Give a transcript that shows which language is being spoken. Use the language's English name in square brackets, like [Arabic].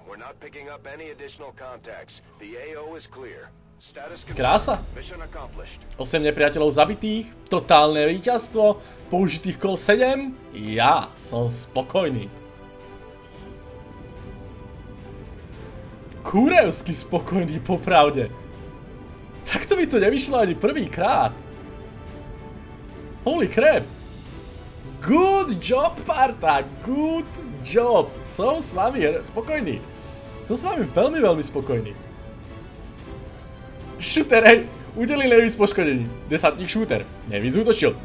[English] We're not picking up any additional contacts. The AO is clear. [Slovak] Krása. 8 nepriateľov zabitých, totálne víťazstvo, použitých kol 7, ja som spokojný. Kurevsky spokojný, popravde. Takto mi to nevyšlo ani prvýkrát. [English] Holy crap. Good job, parta, good job. [Slovak] Som s vami spokojný. Som s vami veľmi, veľmi spokojný. Shooter, hej, [Czech] udelil nejvíc poškodení. [Slovak] Desantník shooter, nejvíc útočil.